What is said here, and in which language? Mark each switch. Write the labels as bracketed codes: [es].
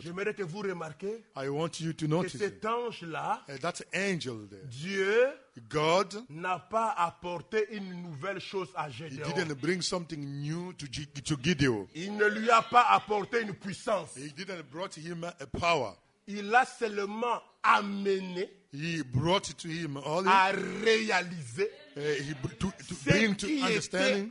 [fr] J'aimerais que vous remarquiez, [en] I want you to notice, [fr] que cet ange-là, [en] that angel there, [fr] Dieu, [en] God, [fr] n'a pas apporté une nouvelle chose à Gédéon. [en] He didn't bring something new to Gideon. [fr] Il ne lui a pas apporté une puissance. [en] He didn't brought him a power. [fr] Il a seulement amené, [en] he brought to him all, [fr] à réaliser, [en] to bring to understanding